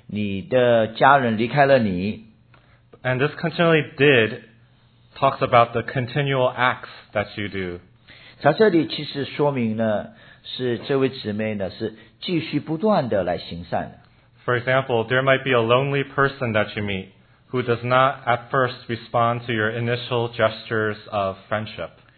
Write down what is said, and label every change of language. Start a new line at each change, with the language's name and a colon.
Chinese: 所以虽然有时候呢，虽然是我们自己生病，或者是你的家人离开了你。
English: And this continually did talks about the continual acts that you do.
Chinese: 在这里其实说明呢，是这位姊妹呢，是继续不断的来行善。
English: For example, there might be a lonely person that you meet who does not at first respond to your initial gestures of friendship.